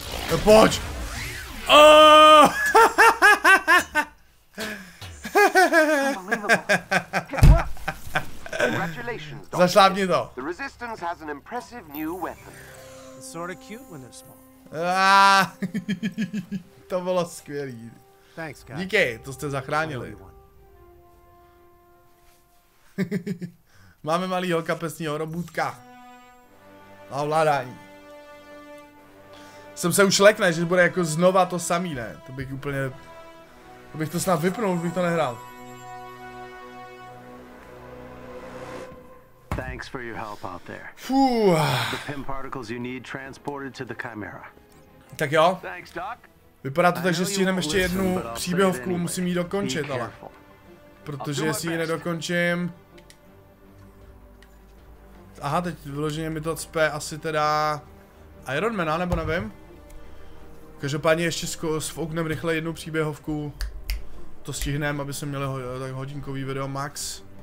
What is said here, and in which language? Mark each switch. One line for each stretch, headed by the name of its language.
English: The bunch. Oh! Congratulations.
Czech: Zašlápni to.
English: The resistance has an impressive new weapon. It's sort of cute when they're small.
Czech: To bylo skvělý.
English: Thanks, guys.
Czech: Díky, to jste zachránili. Máme malýho kapesního robůtka. A ovládání. Jsem se už lekne, že bude jako znova to samý, ne? To bych úplně... To bych to snad vypnul, bych to nehrál.
English: Thanks for your help out there. Fuuu. The PIM particles you need transported to the Chimera.
Czech: Tak jo.
English: Thanks, Doc.
Czech: Vypadá to tak, že stihneme ještě jednu příběhovku, musím ji dokončit, ale... Protože jestli ji nedokončím... Aha, teď vyloženě mi to cpe asi teda... Ironmana, nebo nevím. Každopádně ještě sfouknem rychle jednu příběhovku. To stihneme, aby jsme měli tak hodinkový video max.